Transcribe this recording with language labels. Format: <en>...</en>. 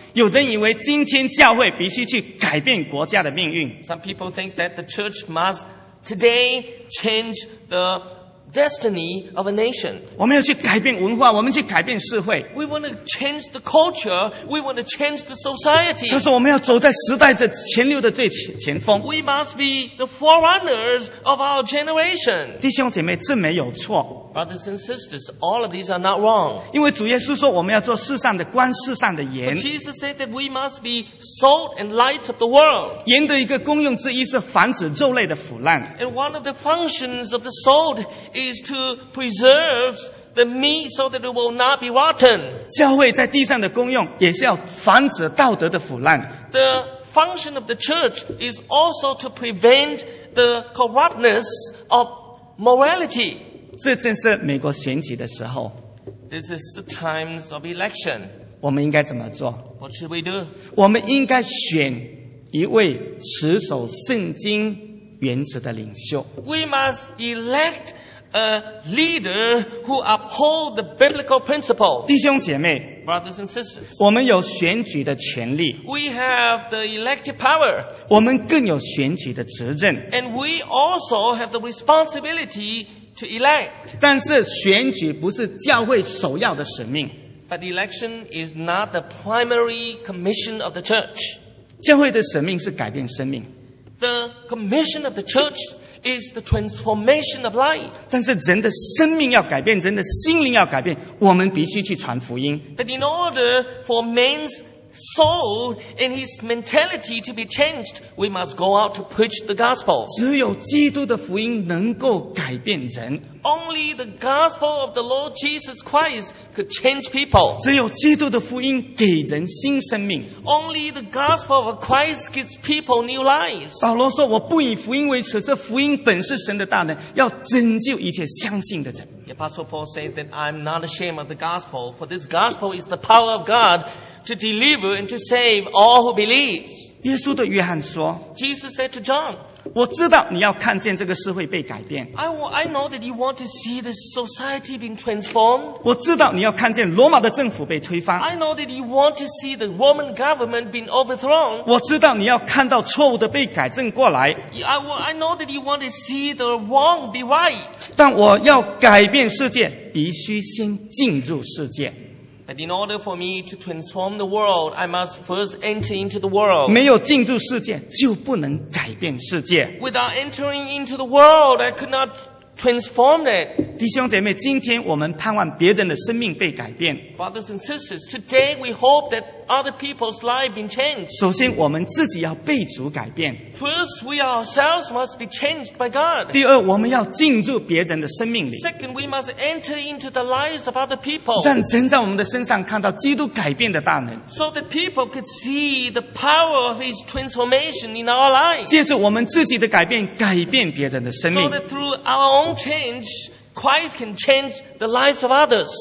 <zh>有人以为今天教会必须去改变国家的命运。</zh> <en>Some people think that the church must today change the destiny of a nation.</en> <zh>我们要去改变文化，我们去改变社会。</zh> <en>We want to change the culture. We want to change the society.</en> <zh>但是我们要走在时代的前流的最前锋。</zh> <en>We must be the forerunners of our generation.</en> <zh>弟兄姐妹，这没有错。</zh> <en>Brothers and sisters, all of these are not wrong.</en> <zh>因为主耶稣说我们要做世上的光，世上的盐。</zh> <en>But Jesus said that we must be salt and light of the world.</en> <zh>盐的一个功用之一是防止肉类的腐烂。</zh> <en>And one of the functions of the salt is to preserve the meat so that it will not be rotten.</en> <zh>教会在地上的功用也是要防止道德的腐烂。</zh> <en>The function of the church is also to prevent the corruptness of morality.</en> <zh>这正是美国选举的时候。</zh> <en>This is the times of election.</en> <zh>我们应该怎么做？</zh> <en>What should we do?</en> <zh>我们应该选一位持守圣经原则的领袖。</zh> <en>We must elect a leader who uphold the biblical principle.</en> <zh>弟兄姐妹，</zh> <en>Brothers and sisters,</en> <zh>我们有选举的权利。</zh> <en>We have the elective power.</en> <zh>我们更有选举的责任。</zh> <en>And we also have the responsibility. To elect.</en> <zh>但是选举不是教会首要的使命。</zh> <en>But election is not the primary commission of the church.</en> <zh>教会的使命是改变生命。</zh> <en>The commission of the church is the transformation of life.</en> <zh>但是人的生命要改变，人的心灵要改变，我们必须去传福音。</zh> <en>But in order for man's soul and his mentality to be changed, we must go out to preach the gospel.</en> <zh>只有基督的福音能够改变人。</zh> <en>Only the gospel of the Lord Jesus Christ could change people.</en> <zh>只有基督的福音给人新生命。</zh> <en>Only the gospel of Christ gives people new lives.</en> <zh>保罗说：“我不以福音为耻，这福音本是神的大能，要拯救一切相信的人。”</zh> <en>The Apostle Paul said that I'm not ashamed of the gospel, for this gospel is the power of God to deliver and to save all who believe.</en> <zh>耶稣对约翰说,</zh> <en>Jesus said to John,</en> <zh>我知道你要看见这个社会被改变。</zh> <en>I know that you want to see the society being transformed.</en> <zh>我知道你要看见罗马的政府被推翻。</zh> <en>I know that you want to see the Roman government being overthrown.</en> <zh>我知道你要看到错误的被改正过来。</zh> <en>I know that you want to see the wrong be right.</en> <zh>但我要改变世界，必须先进入世界。</zh> <en>But in order for me to transform the world, I must first enter into the world.</en> <zh>没有进入世界，就不能改变世界。</zh> <en>Without entering into the world, I could not transform it.</en> <zh>弟兄姐妹，今天我们盼望别人的生命被改变。</zh> <en>Brothers and sisters, today we hope that other people's lives been changed.</en> <zh>首先我们自己要被主改变。</zh> <en>First, we ourselves must be changed by God.</en> <zh>第二，我们要进入别人的生命里。</zh> <en>Second, we must enter into the lives of other people.</en> <zh>让神在我们的身上看到基督改变的大能。</zh> <en>So that people could see the power of His transformation in our lives.</en> <zh>借着我们自己的改变，改变别人的生命。</zh> <en>So that through our own change, Christ can change the lives of others.</en>